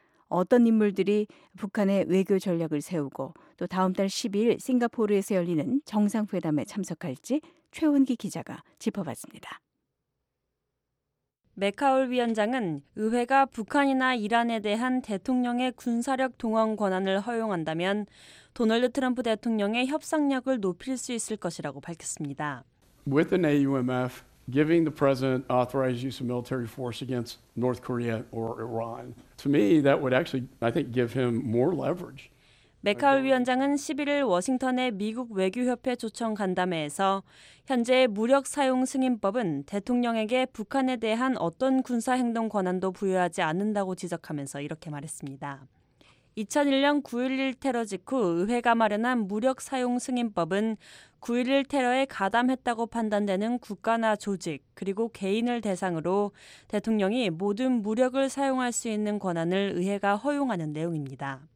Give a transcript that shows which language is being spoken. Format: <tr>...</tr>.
<ko>어떤 인물들이 북한의 외교 전략을 세우고 또 다음 달 12일 싱가포르에서 열리는 정상회담에 참석할지 최원기 기자가 짚어봤습니다. 맥하울 위원장은 의회가 북한이나 이란에 대한 대통령의 군사력 동원 권한을 허용한다면 도널드 트럼프 대통령의 협상력을 높일 수 있을 것이라고 밝혔습니다.</ko> <en>With an AUMF, giving the president authorized use of military force against North Korea or Iran. To me, that would actually, I think, give him more leverage.</en> <ko>맥하울 위원장은 11일 워싱턴의 미국 외교협회 초청 간담회에서 현재 무력 사용 승인법은 대통령에게 북한에 대한 어떤 군사 행동 권한도 부여하지 않는다고 지적하면서 이렇게 말했습니다. 2001년 9.11 테러 직후 의회가 마련한 무력 사용 승인법은 9.11 테러에 가담했다고 판단되는 국가나 조직 그리고 개인을 대상으로 대통령이 모든 무력을 사용할 수 있는 권한을 의회가 허용하는 내용입니다.</ko>